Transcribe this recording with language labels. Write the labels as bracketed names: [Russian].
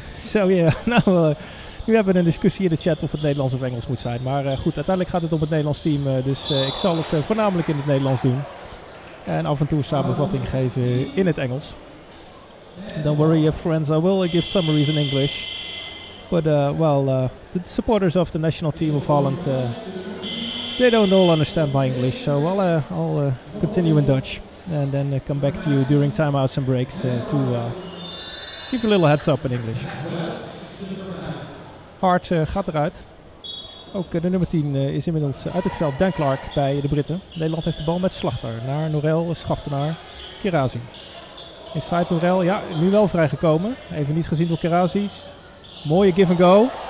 [Dutch] Zo, so, ja, yeah. Nou, nu hebben we een discussie in de chat of het Nederlands of Engels moet zijn. Maar goed, uiteindelijk gaat het om het Nederlands team, dus ik zal het voornamelijk in het Nederlands doen. En af en toe samenvatting geven in het Engels. [English] Don't worry, friends, I will give summaries in English. But, the supporters of the national team of Holland... they don't all understand my English, so I'll continue in Dutch and then come back to you during timeouts and breaks to give you a little heads up in English. [Dutch] Hart gaat eruit. Ook de nummer 10 is inmiddels uit het veld. Dan Clark bij de Britten. Nederland heeft de bal met Slachter naar Norel, Schaftenaar, Kirazi. Inside Norel, ja, nu wel vrijgekomen. Even niet gezien door Kirazi. Mooie give and go.